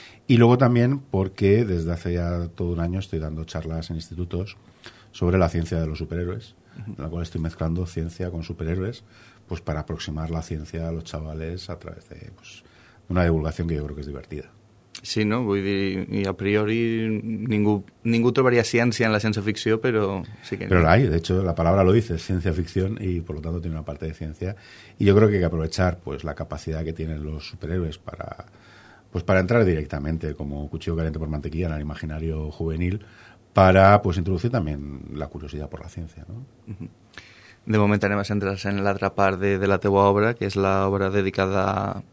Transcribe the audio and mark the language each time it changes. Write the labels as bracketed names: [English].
[Spanish] Y luego también porque desde hace ya todo un año estoy dando charlas en institutos sobre la ciencia de los superhéroes, en la cual estoy mezclando ciencia con superhéroes pues para aproximar la ciencia a los chavales a través de pues, una divulgación que yo creo que es divertida. Sí, ¿no? [Catalan] Vull dir, y a priori ningú trobaria ciència en la ciència ficció, però sí que... [Spanish] Però la hay, de hecho la palabra lo dice, es ciencia ficción y por lo tanto tiene una parte de ciencia. Y yo creo que hay que aprovechar pues la capacidad que tienen los superhéroes para entrar directamente como cuchillo caliente por mantequilla en el imaginario juvenil para pues introducir también la curiosidad por la ciencia, ¿no? [Catalan] De moment anem a centrar-se en l'altra part de la teua obra, que és l'obra dedicada...